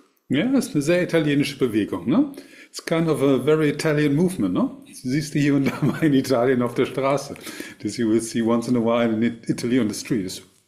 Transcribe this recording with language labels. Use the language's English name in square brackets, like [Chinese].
[German] Ja, das ist eine sehr italienische Bewegung, ne? [English] It's kind of a very Italian movement, ne? [German] Siehst du hier und da mal in Italien auf der Straße. [English] This you will see once in a while in Italy on the street.